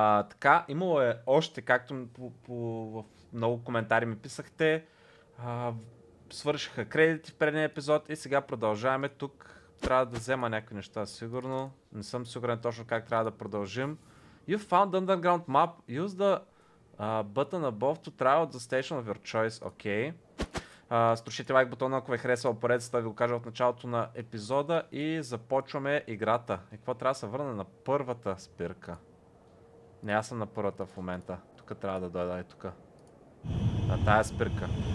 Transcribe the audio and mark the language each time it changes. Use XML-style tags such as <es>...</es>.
<bg>Така, имало е още, както в много коментари ми писахте, свършиха кредити в предния епизод и сега продължаваме тук. Трябва да взема някои неща сигурно. Не съм сигурен точно как трябва да продължим.</bg> <en>You found underground map. Use the button above to try out the station of your choice.</en> <bg>Окей. Струшите лайк бутона, ако ви е харесал поредицата, да ви го кажа от началото на епизода и започваме играта. И какво трябва да се върна на първата спирка? Не, аз съм на първата в момента. Тук трябва да дойда и тук. На тая спирка.</bg>